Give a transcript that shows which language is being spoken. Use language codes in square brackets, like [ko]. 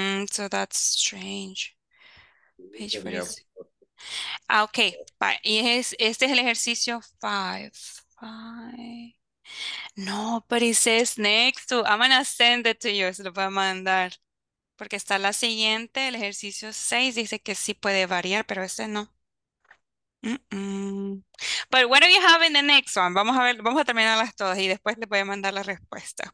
[en] So that's strange. Page 46. Okay, bye. [es] Este es el ejercicio 5. [en] No, but it says next to. I'm gonna send it to you. [es] Se lo voy a mandar. Porque está la siguiente, el ejercicio 6. Dice que sí puede variar, pero este no. [en] But what do you have in the next one? [es] Vamos a ver, vamos a terminarlas todas y después le voy a mandar la respuesta.